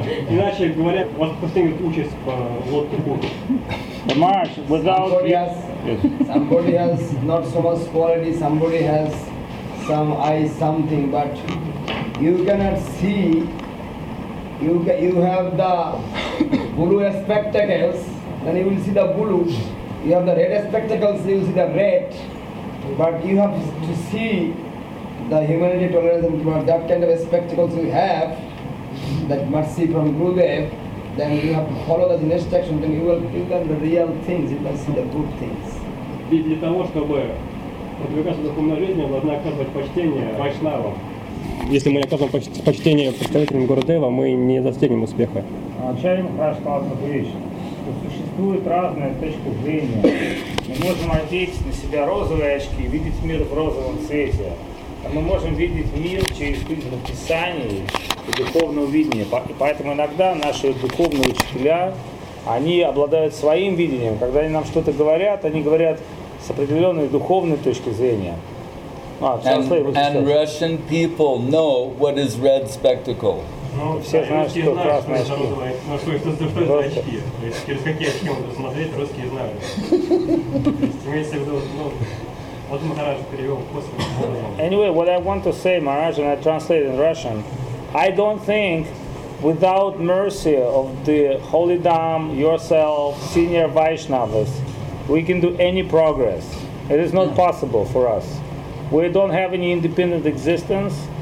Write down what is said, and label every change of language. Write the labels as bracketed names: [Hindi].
[Russian] Иначе говоря, вас постигнет участь по лодке Курск. [English] The marsh without somebody has not so much quality, somebody has some eyes, something, but you cannot see. You have the bulu spectacles, then you will see the bulu. You have the red spectacles, you will see the red. But you have to see the humanity, tolerance, and that kind of spectacles you have, that mercy from Gurudev. Then you have to follow the instruction, then you can the real things, you can see the good things. [Russian] Ведь для того, чтобы продвигаться духовной жизнью, должны оказывать почтение вайшнавам. Если мы не оказываем почтение представителям Гурудева, мы не достигнем успеха. Ачарья Махарадж сказал такую вещь, что существует разная точка зрения. Мы можем одеть на себя розовые очки и видеть мир в розовом цвете. А мы можем видеть мир через призму Писания и духовного видения. Поэтому иногда наши духовные учителя, они обладают своим видением. Когда они нам что-то говорят, они говорят с определенной духовной точки зрения. [English] And Russian people know what is red spectacle. [Russian] Все знают, что красные очки. Что это за очки? Через какие очки можно смотреть, русские знают. Имеется в виду, вот Махарадж перевел после. [English] Anyway, what I want to say, Махарадж, and I translate in Russian, I don't think without mercy of the Holy Dham, yourself, senior Vaishnavas, we can do any progress. It is not possible for us. We don't have any independent existence.